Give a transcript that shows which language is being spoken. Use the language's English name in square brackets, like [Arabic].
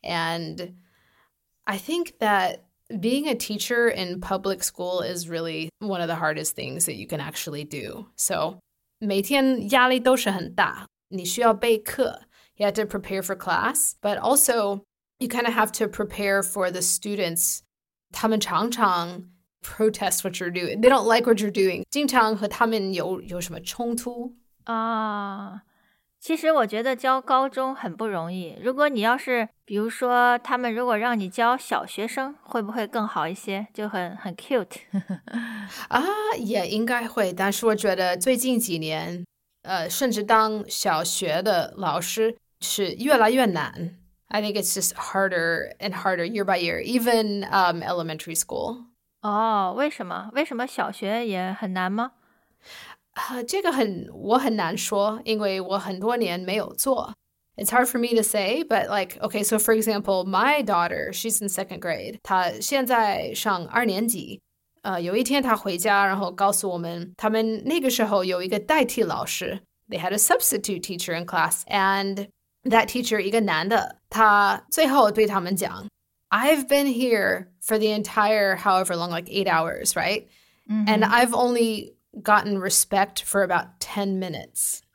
[English] And I think that being a teacher in public school is really one of the hardest things that you can actually do. [Chinese] So, 每天压力都是很大。你需要备课。 [English] You have to prepare for class. But also, you kind of have to prepare for the students. [Chinese] 他们常常 [English] protest what you're doing. They don't like what you're doing. [Chinese] 经常和他们有什么冲突啊？其实我觉得教高中很不容易。如果你要是，比如说他们如果让你教小学生，会不会更好一些？就很 cute 啊，也应该会。但是我觉得最近几年，甚至当小学的老师是越来越难。 [English] I think it's just harder and harder year by year, even elementary school. [Chinese] 哦，为什么？为什么小学也很难吗？这个我很难说，因为我很多年没有做。 [English] It's hard for me to say, but like, okay, so for example, my daughter, she's in second grade. [Chinese] 她现在上二年级。有一天她回家，然后告诉我们，他们那个时候有一个代替老师。 [English] They had a substitute teacher in class, and that teacher, [Chinese] 一个男的，他最后对他们讲， [English] I've been here for the entire however long, like 8 hours, right? Mm-hmm. And I've only gotten respect for about 10 minutes